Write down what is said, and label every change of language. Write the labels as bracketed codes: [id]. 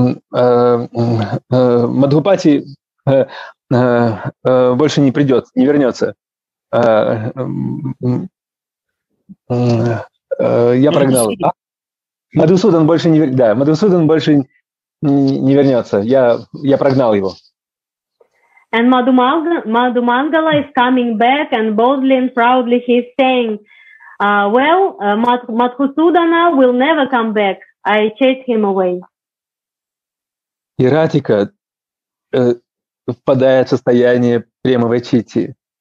[ru] Мадхупати больше не придет, не вернется. Я прогнал. Мадхусудан больше не вернется. Я прогнал его. [en] And Madhu Mangala is coming back and boldly and proudly he's saying, well, Madhusudana will never come back. I chased him away. [ru] И Радхика впадает в состояние премовой читти.